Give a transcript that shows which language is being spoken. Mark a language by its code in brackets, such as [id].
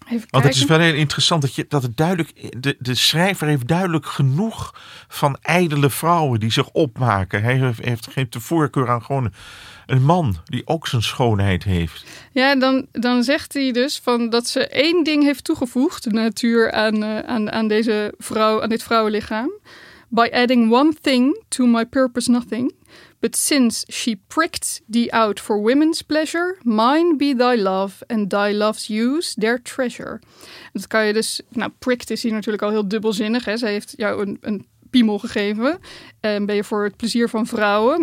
[nl] Want het is wel heel interessant dat het duidelijk, de schrijver heeft duidelijk genoeg van ijdele vrouwen die zich opmaken. Hij geeft de voorkeur aan gewoon een man die ook zijn schoonheid heeft. Ja, dan zegt hij dus van dat ze één ding heeft toegevoegd, de natuur, aan deze vrouw, aan dit vrouwenlichaam. [en] By adding one thing to my purpose nothing. But since she pricked thee out for women's pleasure, mine be thy love and thy love's use their treasure. [nl] En dat kan je dus, nou, pricked is hier natuurlijk al heel dubbelzinnig. Hè? Zij heeft jou een piemel gegeven en ben je voor het plezier van vrouwen.